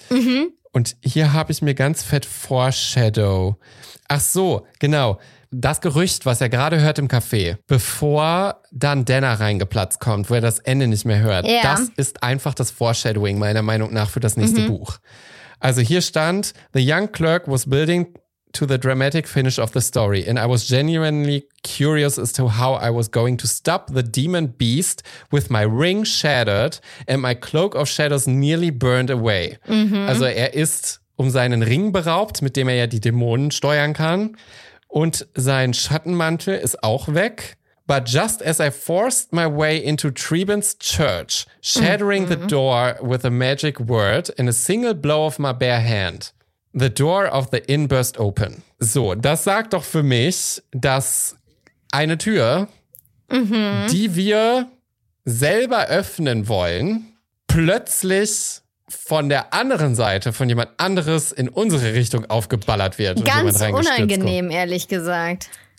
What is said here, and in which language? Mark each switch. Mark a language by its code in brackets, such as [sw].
[de] Mhm. Und hier habe ich mir ganz fett Foreshadow. Ach so, genau. Das Gerücht, was er gerade hört im Café, bevor dann Danna reingeplatzt kommt, wo er das Ende nicht mehr hört, das ist einfach das Foreshadowing, meiner Meinung nach, für das nächste Buch. Also hier stand, [en] the young clerk was building to the dramatic finish of the story. And I was genuinely curious as to how I was going to stop the demon beast with my ring shattered and my cloak of shadows nearly burned away. Mhm. [de] Also er ist um seinen Ring beraubt, mit dem er ja die Dämonen steuern kann. Und sein Schattenmantel ist auch weg. [en] But just as I forced my way into Treban's church, shattering the door with a magic word in a single blow of my bare hand, the door of the inn burst open. [de] So, das sagt doch für mich, dass eine Tür, die wir selber öffnen wollen, plötzlich von der anderen Seite, von jemand anderes in unsere Richtung aufgeballert wird. Ganz unangenehm, ehrlich gesagt.